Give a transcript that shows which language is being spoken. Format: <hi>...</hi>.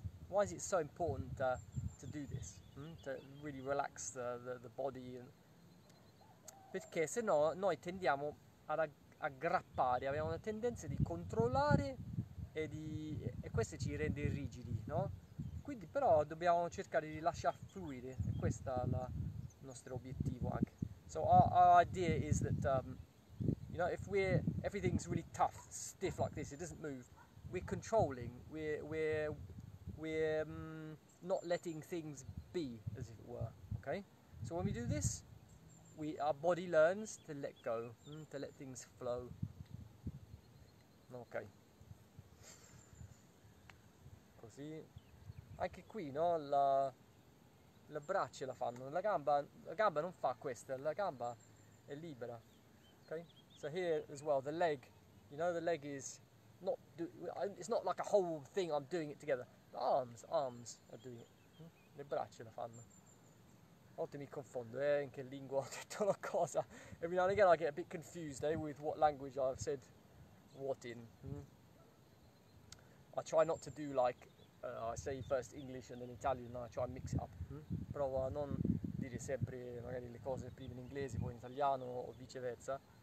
<en>Why is it so important to do this? To really relax the body?</en> <it>Perché se no noi tendiamo ad aggrappare, abbiamo una tendenza di controllare e questo ci rende rigidi, no? Quindi però dobbiamo cercare di lasciar fluire, e questo è il nostro obiettivo anche.</it> <en>So our idea is that if everything's really tough, stiff like this, it doesn't move, we're controlling, we're not letting things be, as it were, okay? So when we do this, our body learns to let go, to let things flow. Ok.</en> <it>Così. Anche qui, no? Le braccia la fanno, la gamba non fa questa, la gamba è libera. Ok?</it> <en>So here as well, the leg, the leg is not, it's not like a whole thing, I'm doing it together. Arms are doing it.</en> <it>Le braccia la fanno. A volte mi confondo, in che lingua ho detto la cosa.</it> <en>Every now and again I get a bit confused, with what language I've said what in. I try not to do I say first English and then Italian, and I try and mix it up.</en> <it>Provo a non dire sempre magari le cose prima in inglese, poi in italiano o viceversa.</it>